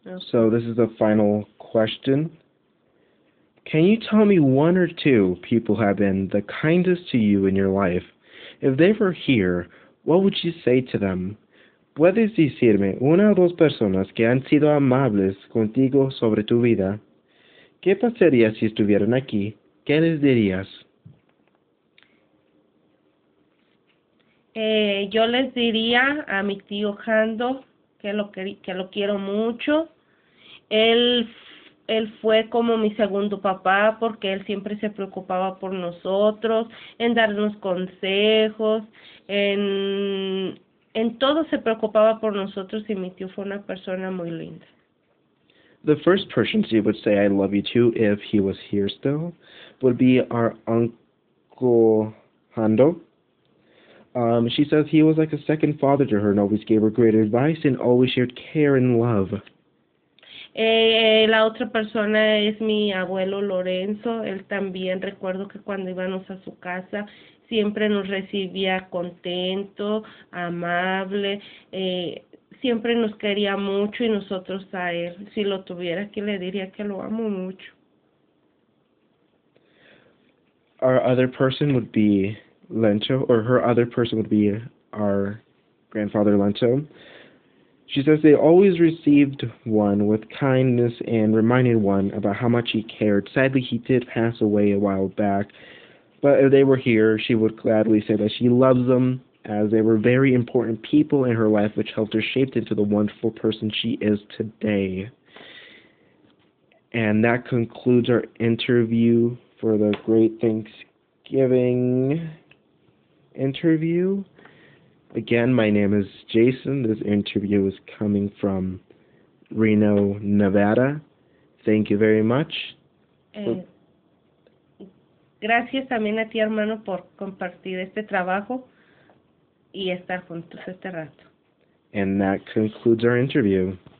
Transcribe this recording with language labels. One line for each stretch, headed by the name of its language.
English: So this is the final question. Can you tell me one or two people who have been the kindest to you in your life? If they were here, what would you say to them?
Spanish: ¿Puedes decirme una o dos personas que han sido amables contigo sobre tu vida? ¿Qué pasaría si estuvieran aquí? ¿Qué les dirías? Yo les diría a mi tío Jando que lo quiero mucho. Él fue como mi segundo papá porque él siempre se preocupaba por nosotros, en darnos consejos, en todo se preocupaba por nosotros y mi tío fue una persona muy linda.
English: The first person she would say, "I love you too," if he was here still, would be our Uncle Hando. She says he was like a second father to her and always gave her great advice and always shared care and love.
Spanish: La otra persona es mi abuelo Lorenzo. Él también recuerdo que cuando íbamos a su casa siempre nos recibía contento, amable, siempre nos quería mucho y nosotros a él. Si lo tuviera aquí le diría que lo amo mucho.
English: Our other person would be Lento, or her other person would be our grandfather Lento. She says they always received one with kindness and reminded one about how much he cared. Sadly, he did pass away a while back, but if they were here, she would gladly say that she loves them as they were very important people in her life, which helped her shape into the wonderful person she is today. And that concludes our interview. For the great Thanksgiving interview. Again, my name is Jason. This interview is coming from Reno, Nevada. Thank you very much.
Spanish: Gracias también a ti, hermano, por compartir este trabajo y estar juntos este rato.
English: And that concludes our interview.